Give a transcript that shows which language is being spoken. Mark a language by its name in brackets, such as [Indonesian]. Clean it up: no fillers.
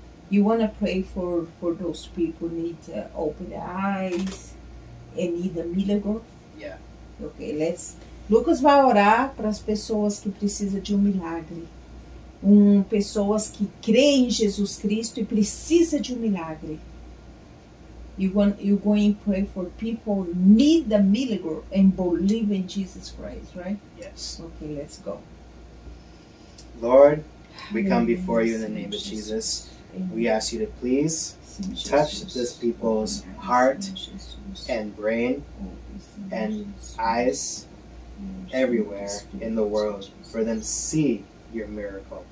[English] You want to pray for those people who need to open their eyes and need a miracle? Yeah. Okay, let's. [Portuguese] Lucas vai orar para as pessoas que precisam de um milagre. Pessoas que creem em Jesus Cristo e precisam de um milagre. [English] You're going to pray for people who need the miracle and believe in Jesus Christ, right? Yes. Okay, let's go. Lord, we come before you in the name of Jesus. We ask you to please touch this people's heart and brain and eyes everywhere in the world for them to see your miracle.